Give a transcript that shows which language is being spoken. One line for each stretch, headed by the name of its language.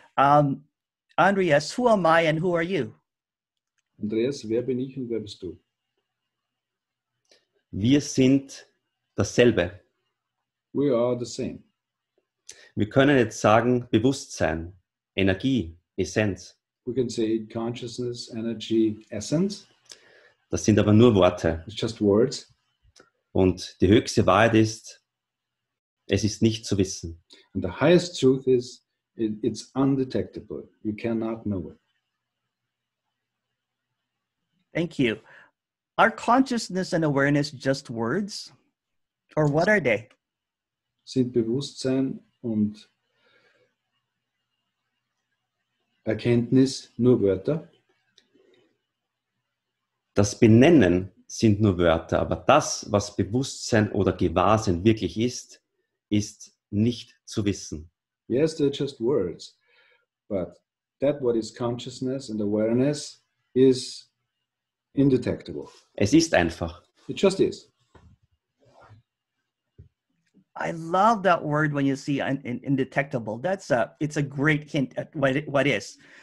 English: Andreas, who am I and who are you?
German: Andreas, wer bin ich und wer bist du? Wir sind dasselbe.
English: We are the same.
German: Wir können jetzt sagen, Bewusstsein. Energie, Essenz.
English: We can say consciousness, energy, essence.
German: Das sind aber nur Worte.
English: It's just words.
German: Und die höchste Wahrheit ist, es ist nicht zu wissen.
English: And the highest truth is, it's undetectable. You cannot know it. Thank you. Are consciousness and awareness just words? Or what are they?
German: Sind Bewusstsein und Erkenntnis nur Wörter? Das Benennen sind nur Wörter, aber das, was Bewusstsein oder Gewahrsein wirklich ist, ist nicht zu wissen.
English: Yes, they're just words. But that what is consciousness and awareness is indetectable.
German: Es ist einfach.
English: It just is. I love that word when you see indetectable. That's it's a great hint at what is.